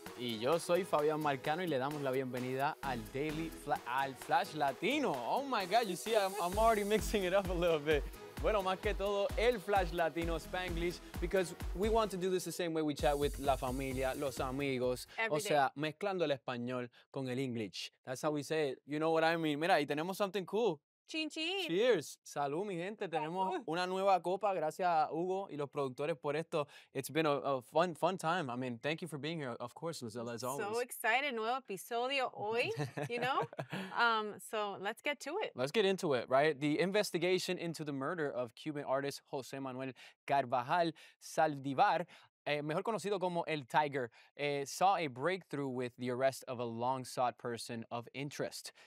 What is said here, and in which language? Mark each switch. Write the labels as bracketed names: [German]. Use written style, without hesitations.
[Spanish] Y yo soy Fabián Marcano y le damos la bienvenida al Daily Flash Latino. [English] Oh my God, you see, I'm already mixing it up a little bit. [Spanish] Bueno, más que todo, el [English] Flash Latino Spanglish, because we want to do this the same way we chat with [Spanish] la familia, los amigos. [English] Every [Spanish] o [English] day. [Spanish] Sea, mezclando el español con el English. [English] That's how we say it. You know what I mean. [Spanish] Mira, y tenemos [English] something cool. Chin, chin. Cheers. [Spanish] Salud, mi gente. Tenemos una nueva copa. Gracias a Hugo y los productores por esto. [English] It's been a fun time. I mean, thank you for being here, of course, Lizella, as always. So excited. [Spanish] Nuevo episodio hoy, [English] you know? So let's get to it. Let's get into it, right? The investigation into the murder of Cuban artist José Manuel Carvajal Saldívar, [Spanish] mejor conocido como [English] El Tiger, saw a breakthrough with the arrest of a long-sought person of interest.